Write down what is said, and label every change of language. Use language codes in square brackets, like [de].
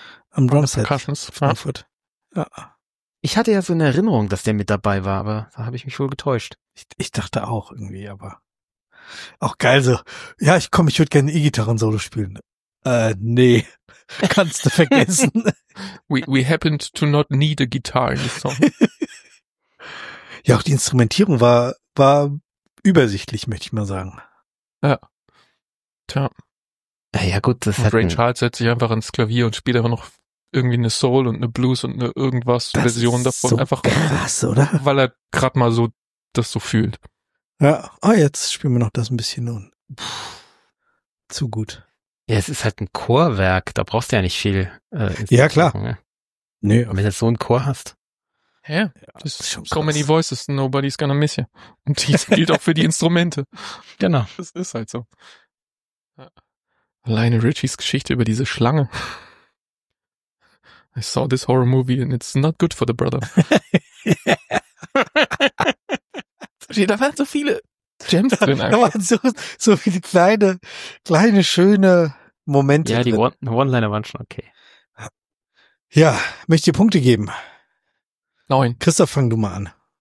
[de] am Drumset Frankfurt. Ja. Ich hatte ja so eine Erinnerung, dass der mit dabei war, aber da habe ich mich wohl getäuscht. Ich dachte auch irgendwie, aber auch geil so. Ja, ich würde gerne E-Gitarren-Solo spielen. Nee, kannst du vergessen. [en] We happened to not need a guitar in the song. [de] Ja, auch die Instrumentierung war übersichtlich, möchte ich mal sagen. Ja. Tja. Ja gut, das hat... Ray Charles setzt sich einfach ans Klavier und spielt einfach noch... irgendwie eine Soul und eine Blues und eine irgendwas das Version davon. So einfach krass, oder? Weil er gerade mal so das so fühlt. Ja, oh, jetzt spielen wir noch das ein bisschen und zu gut. Ja, es ist halt ein Chorwerk, da brauchst du ja nicht viel. Ja, klar. Ne? Nö. Und wenn du so einen Chor hast. Hä? Ja, das ist schon so krass. [en] Many voices, nobody's gonna miss you. [de] Und das gilt auch für die Instrumente. Genau. Das ist halt so. Alleine Richies Geschichte über diese Schlange. [en] I saw this horror movie and it's not good for the brother. [de] Da waren so viele Gems drin. Eigentlich. Da waren so viele kleine, schöne Momente. Ja, drin. Die One-Liner waren schon okay. Ja, möchte dir Punkte geben. 9. Christoph, fang du mal an.